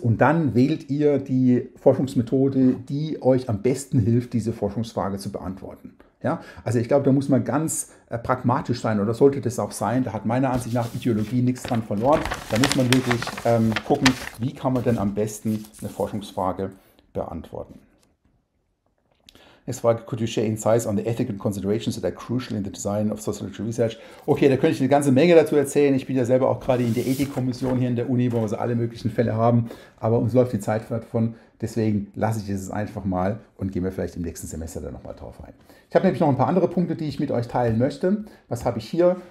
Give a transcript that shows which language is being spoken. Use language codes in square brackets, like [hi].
[de] Und dann wählt ihr die Forschungsmethode, die euch am besten hilft, diese Forschungsfrage zu beantworten. Ja, also ich glaube, da muss man ganz pragmatisch sein oder sollte das auch sein. Da hat meiner Ansicht nach Ideologie nichts dran verloren. Da muss man wirklich gucken, wie kann man denn am besten eine Forschungsfrage beantworten. [en] Next Frage, could you share insights on the ethical considerations that are crucial in the design of sociological research? [de] Okay, da könnte ich eine ganze Menge dazu erzählen. Ich bin ja selber auch gerade in der Ethikkommission hier in der Uni, wo wir so alle möglichen Fälle haben. Aber uns läuft die Zeit davon. Deswegen lasse ich es einfach mal und gehen wir vielleicht im nächsten Semester dann nochmal drauf ein. Ich habe nämlich noch ein paar andere Punkte, die ich mit euch teilen möchte. Was habe ich hier?